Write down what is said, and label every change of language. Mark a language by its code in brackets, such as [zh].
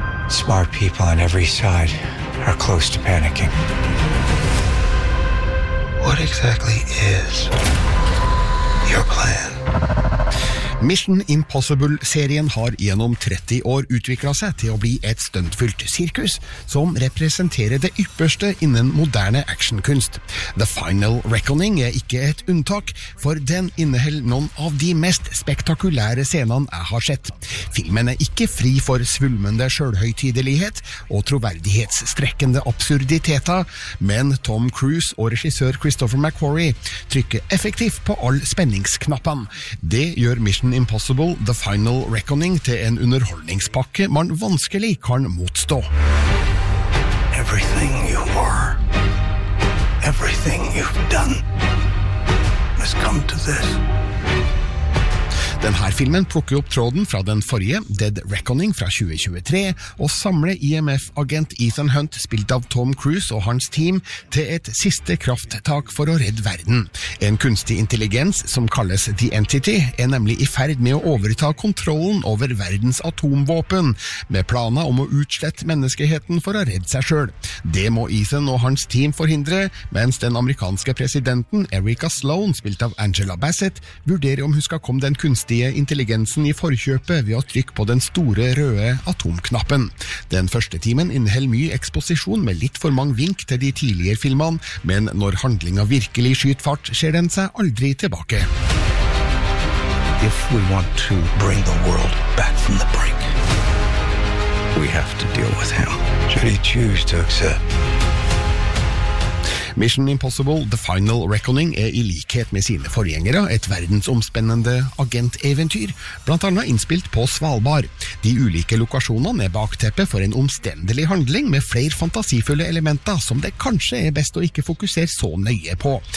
[en] Smart people on every side are close to panicking. What exactly is... your plan. [no] Mission Impossible-serien har gjennom 30 år utviklet seg til å bli et stuntfylt sirkus som representerer det ypperste innen moderne actionkunst. The Final Reckoning ikke et unntak, for den inneholder noen av de mest spektakulære scenene jeg har sett. Filmen ikke fri for svulmende selvhøytidelighet og troverdighetsstrekkende absurditeter, men Tom Cruise og regissør Christopher McQuarrie trykker effektivt på all spenningsknappen. Det gjør Mission Impossible, The Final Reckoning til en underholdningspakke man vanskelig kan motstå. [en] Everything you were, everything you've done has come to this. [no] Den her filmen plukker opp tråden fra den forrige, Dead Reckoning fra 2023, og samler IMF-agent Ethan Hunt, spilt av Tom Cruise og hans team, til et siste krafttak for å redde verden. En kunstig intelligens som kalles The Entity er nemlig i ferd med å overta kontrollen over verdens atomvåpen, med planer om å utslette menneskeheten for å redde seg selv. Det må Ethan og hans team forhindre, mens den amerikanske presidenten Erica Sloan, spilt av Angela Bassett, vurderer om hun skal komme den kunstige intelligensen i forkjøpet ved å trykke på den store røde atomknappen. Den første timen inneholder mye eksposisjon med litt for mange vink til de tidligere filmene, men når handlingen virkelig skyter fart, ser den seg aldri tilbake. [en] If we want to bring the world back from the brink, we have to deal with him. Should he choose to accept? [no] Mission Impossible – The Final Reckoning er i likhet med sine forgjengere et verdensomspennende agenteventyr, blant annet innspilt på Svalbard. De ulike lokasjonene er bakteppet for en omstendelig handling med flere fantasifulle elementer som det kanskje er best å ikke fokusere så nøye på.